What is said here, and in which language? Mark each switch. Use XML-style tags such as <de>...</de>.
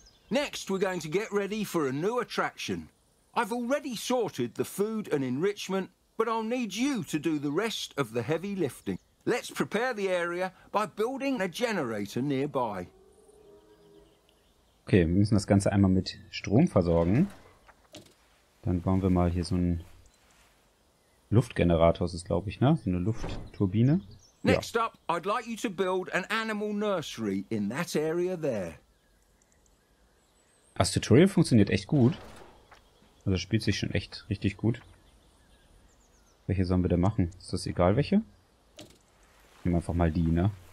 <en>Next we're going to get ready for a new attraction. I've already sorted the food and enrichment, but I'll need you to do the rest of the heavy lifting. Let's prepare the area by building a generator nearby.</en> <de>Okay, wir müssen das Ganze einmal mit Strom versorgen. Dann bauen wir mal hier so einen Luftgenerator, ist es glaube ich, ne? So eine Luftturbine. Ja.</de> <en>Next up, I'd like you to build an animal nursery in that area there.</en> <de>Das Tutorial funktioniert echt gut. Also spielt sich schon echt richtig gut. Welche sollen wir denn machen? Ist das egal welche? Nehmen einfach mal die, ne?</de>